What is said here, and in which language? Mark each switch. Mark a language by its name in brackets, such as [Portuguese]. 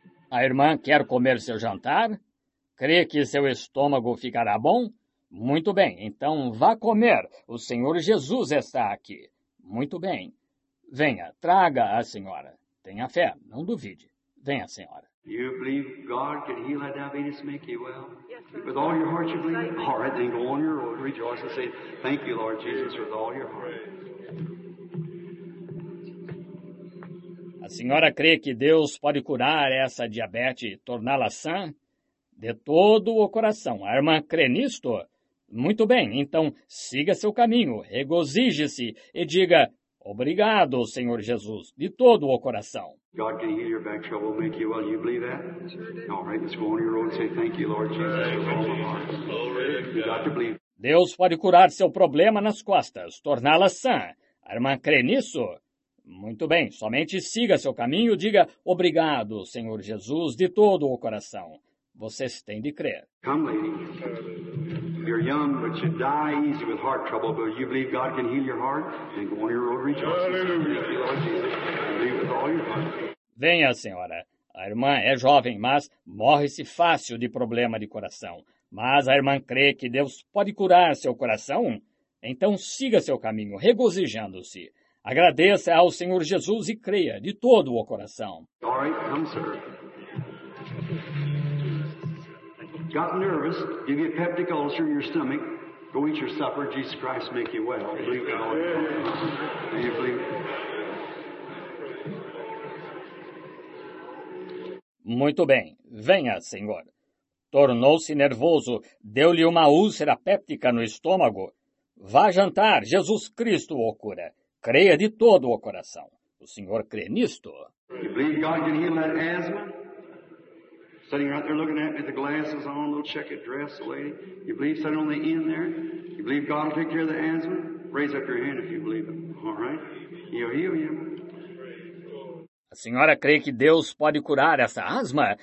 [Portuguese] A irmã quer comer seu jantar? Crê que seu estômago ficará bom? Muito bem, então vá comer. O Senhor Jesus está aqui. Muito bem. Venha, traga a senhora. Tenha fé, não duvide. Venha, senhora. [English] You believe God can heal that diabetes, make you well? Yes, sir. With all your heart, you believe? Yes, all right, then go on your road, rejoice and say, thank you, Lord Jesus, with all your heart. [Portuguese] A senhora crê que Deus pode curar essa diabetes e torná-la sã? De todo o coração. A irmã crê nisto? Muito bem, então siga seu caminho, regozije-se e diga, obrigado, Senhor Jesus, de todo o coração. [English] God can heal your back trouble, make you well. You believe that? Sure do. All right, let's go on your road and say thank you, Lord Jesus, with all my heart. You got to believe. [Portuguese] Deus pode curar seu problema nas costas, torná-la sã. A irmã crê nisso? Muito bem, somente siga seu caminho e diga obrigado, Senhor Jesus, de todo o coração. Vocês têm de crer. [English] Come, lady. You're young, but you die easy with heart trouble. But you believe God can heal your heart? Then go on your road, rejoice. Thank you, Lord Jesus. Believe with all your heart. [Portuguese] Venha, senhora. A irmã é jovem, mas morre-se fácil de problema de coração. Mas a irmã crê que Deus pode curar seu coração? Então siga seu caminho, regozijando-se. Agradeça ao Senhor Jesus e creia de todo o coração. [English] All right, come, sir. Got nervous, give you a peptic ulcer in your stomach, go eat your supper, Jesus Christ make you well. Believe in all your heart. Do you believe? [Portuguese] Muito bem, venha, senhor. Tornou-se nervoso, deu-lhe uma úlcera péptica no estômago. Vá jantar, Jesus Cristo o cura. Creia de todo o coração. O senhor crê nisto? [English] You believe God can heal that asthma? Sitting right there looking at me, the glasses on, little checkered dress, the lady. You believe sitting on the end there? You believe God will take care of the asthma? Raise up your hand if you believe it. All right? He'll heal you. [Portuguese] A senhora crê que Deus pode curar essa asma?